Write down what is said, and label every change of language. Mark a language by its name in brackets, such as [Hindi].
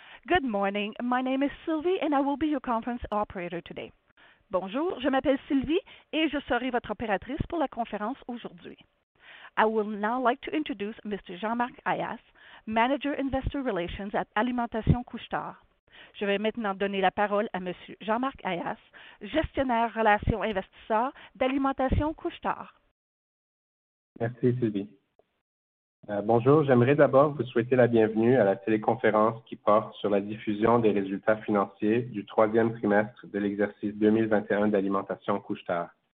[English] Good morning. My name is Sylvie and I will be your conference operator today. [French] Bonjour, je m'appelle Sylvie et je serai votre opératrice pour la conférence aujourd'hui. [English] I will now like to introduce Mr. Jean-Marc Ayas, Manager Investor Relations at Alimentation Couche-Tard. [French] Je vais maintenant donner la parole à Monsieur Jean-Marc Ayas, gestionnaire relations investisseurs d'Alimentation Couche-Tard. Merci Sylvie. Bonjour, j'aimerais d'abord vous souhaiter la bienvenue à la téléconférence qui porte sur la diffusion des résultats financiers du troisième trimestre de l'exercice 2021 d'Alimentation Couche-Tard.